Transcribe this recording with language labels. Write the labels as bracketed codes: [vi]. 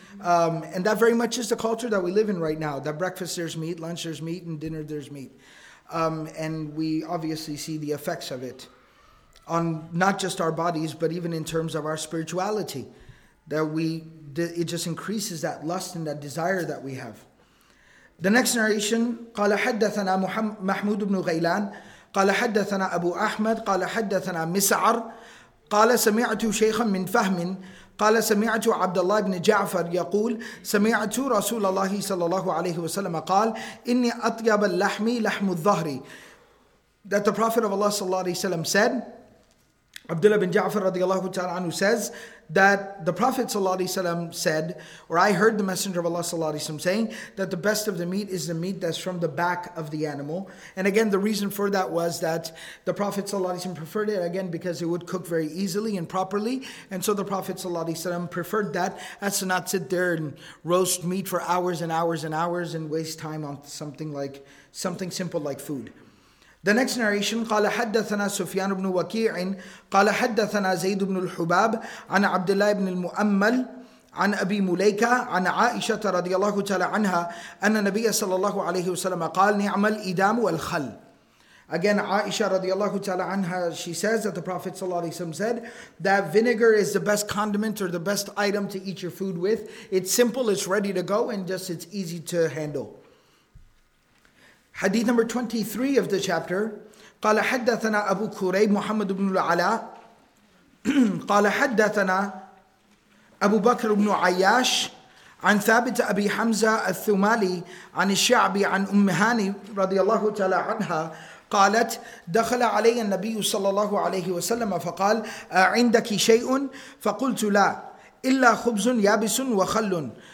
[en] And that very much is the culture that we live in right now, that breakfast there's meat, lunch there's meat, and dinner there's meat. And we obviously see the effects of it on not just our bodies, but even in terms of our spirituality, that we it just increases that lust and that desire that we have. The next narration, [ar] قَالَ حَدَّثَنَا مَحْمُودُ بْنُ غَيْلَانِ قال حدثنا أبو أحمد قال حدثنا مسعر قال سمعت شيخا من فهم قال سمعت عبد الله بن جعفر يقول سمعت رسول الله صلى الله عليه وسلم قال إني أطيب اللحم لحم الظهر. [en] That the Prophet of Allah صلى الله عليه وسلم said, Abdullah bin Ja'far radiallahu ta'ala anhu says that the Prophet sallallahu alaihi wasallam said, or I heard the Messenger of Allah sallallahu alaihi wasallam saying, that the best of the meat is the meat that's from the back of the animal. And again, the reason for that was that the Prophet sallallahu alaihi wasallam preferred it, again, because it would cook very easily and properly. And so the Prophet sallallahu alaihi wasallam preferred that, as to not sit there and roast meat for hours and hours and hours and waste time on something like something simple like food. The next narration, [ar] قال حدثنا سفيان بن وكيع قال حدثنا زيد بن الحباب عن عبد الله بن المؤمل عن أبي مليكة عن عائشة رضي الله تعالى عنها أن النبي صلى الله عليه وسلم قال نعم الإدام والخل. [en] Again, Aisha radiallahu ta'ala anha, she says that the Prophet sallallahu alayhi wa sallam said that vinegar is the best condiment or the best item to eat your food with. It's simple, it's ready to go, and just it's easy to handle. Hadith number 23 of the chapter, [ar] قال حدثنا أبو كريب محمد بن العلاء قال حدثنا أبو بكر بن عياش عن ثابت أبي حمزة الثمالي عن الشعبي عن أم هاني رضي الله تعالى عنها قالت دخل علي النبي صلى الله عليه وسلم فقال عندك شيء؟ فقلت لا إلا خبز يابس وخل.